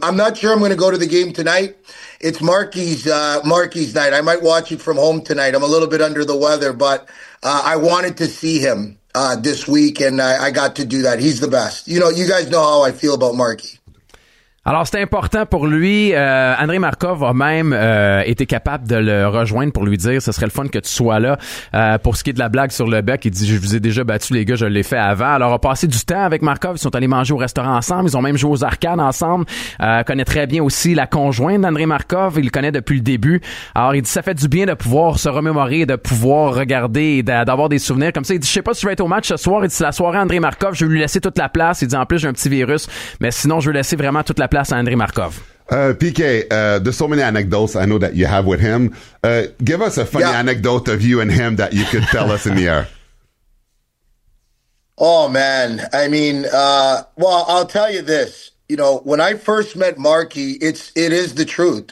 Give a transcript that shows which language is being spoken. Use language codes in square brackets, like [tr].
[en] I'm not sure I'm going to go to the game tonight. It's Marky's night. I might watch it from home tonight. I'm a little bit under the weather, but I wanted to see him this week, and I got to do that. He's the best. You know, you guys know how I feel about Marky. [fr] Alors, c'est important pour lui. André Markov a même été capable de le rejoindre pour lui dire « Ce serait le fun que tu sois là. » Pour ce qui est de la blague sur le bec, il dit « Je vous ai déjà battu, les gars, je l'ai fait avant. » Alors, on a passé du temps avec Markov. Ils sont allés manger au restaurant ensemble. Ils ont même joué aux arcades ensemble. Connaît très bien aussi la conjointe d'André Markov. Il le connaît depuis le début. Alors, il dit « Ça fait du bien de pouvoir se remémorer, de pouvoir regarder et d'avoir des souvenirs. » Comme ça, il dit « Je sais pas si je vais être au match ce soir. » Il dit « C'est la soirée André Markov. Je vais lui laisser toute la place. » Il dit « En plus, j'ai un petit virus. Mais sinon, je vais laisser vraiment toute la place à André Markov. [en] PK, there's so many anecdotes I know that you have with him. Give us a funny anecdote of you and him that you could tell us in the air. Oh, man. I mean, I'll tell you this. You know, when I first met Marky, it is the truth.